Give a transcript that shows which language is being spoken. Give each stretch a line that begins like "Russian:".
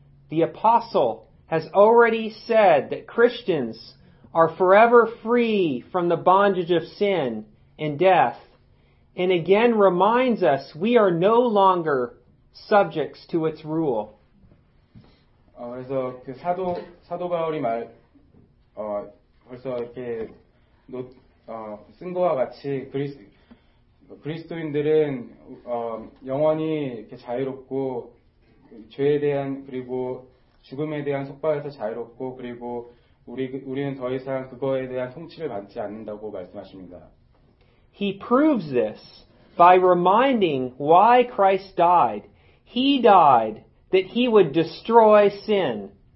English: The apostle has already said that Christians are forever free from the bondage of sin and death, and again reminds us we are no longer subjects to its rule.
Korean: 그래서 사도 바울이 벌써 이렇게 쓴 거와 같이 그리스도인들은 영원히 이렇게 자유롭고 죄에 대한 그리고 죽음에 대한 속박에서 자유롭고 그리고 우리는 더 이상 그거에 대한 통치를 받지 않는다고 말씀하십니다.
English: He proves this by reminding why Christ died. He died that he would destroy sin.